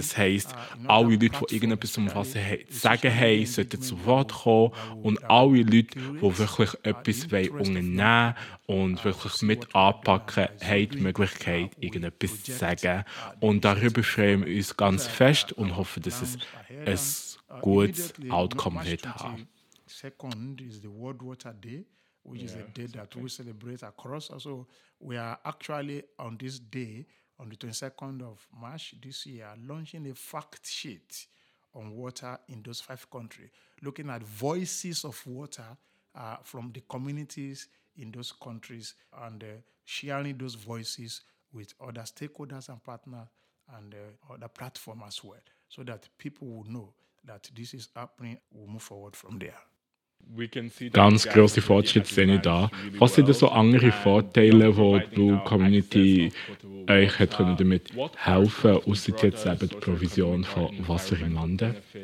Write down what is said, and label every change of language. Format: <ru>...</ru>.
<de>Das heisst, alle Leute, die irgendetwas zum Wasser sagen haben, sollten zu Wort kommen. Und alle Leute, die wirklich etwas unternehmen wollen und wirklich mit anpacken, haben die Möglichkeit, irgendetwas zu sagen. Und darüber freuen wir uns ganz fest und hoffen, dass es ein gutes Outcome wird haben.</de> <en>Second is the World Water Day, which is a day that we celebrate across. So we are actually on this day, on the 22nd of March this year, launching a fact sheet on water in those 5 countries, looking at voices of water from the communities in those countries and sharing those voices with other stakeholders and partners and other platforms as well, so that people will know that this is happening, we'll move forward from there.</en> <de>Ganz grosse Fortschritte sehe ich da. Was sind denn so andere Vorteile, die Blue Community euch hat können damit helfen, ausser jetzt eben die Provision von Wasser im Lande?</de>